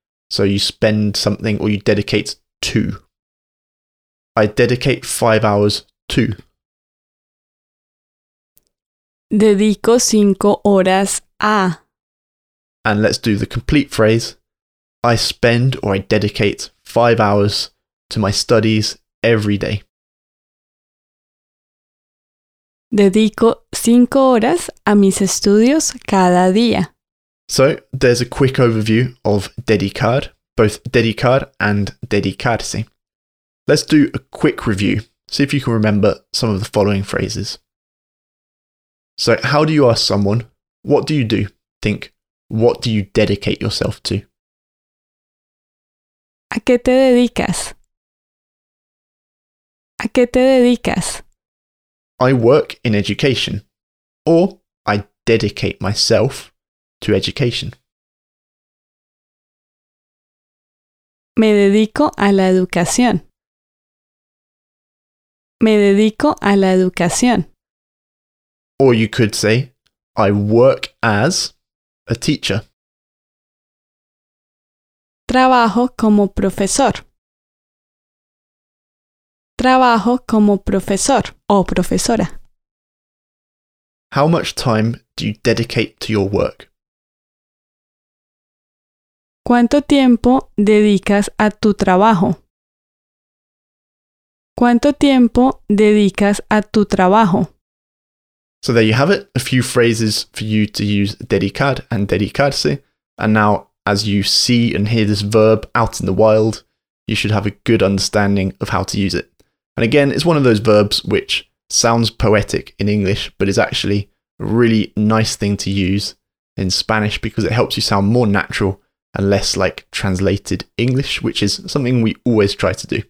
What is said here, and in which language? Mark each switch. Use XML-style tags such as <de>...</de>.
<en>So you spend something or you dedicate to. I dedicate 5 hours to.</en> <es>Dedico 5 horas a.</es> <en>And let's do the complete phrase. I spend or I dedicate 5 hours to my studies every day.</en> <es>Dedico 5 horas a mis estudios cada día.</es> <en>So, there's a quick overview of dedicar, both dedicar and dedicarse. Let's do a quick review. See if you can remember some of the following phrases. So, how do you ask someone, what do you do? Think, what do you dedicate yourself to?</en> <es>¿A qué te dedicas? ¿A qué te dedicas?</es> <en>I work in education, or I dedicate myself to education.</en> <es>Me dedico a la educación. Me dedico a la educación.</es> <en>Or you could say, I work as a teacher.</en> <es>Trabajo como profesor. Trabajo como profesor o profesora.</es> <en>How much time do you dedicate to your work?</en> <es>¿Cuánto tiempo dedicas a tu trabajo? ¿Cuánto tiempo dedicas a tu trabajo?</es> <en>So there you have it, a few phrases for you to use dedicar and dedicarse. And now, as you see and hear this verb out in the wild, you should have a good understanding of how to use it. And again, it's one of those verbs which sounds poetic in English, but is actually a really nice thing to use in Spanish because it helps you sound more natural and less like translated English, which is something we always try to do.</en>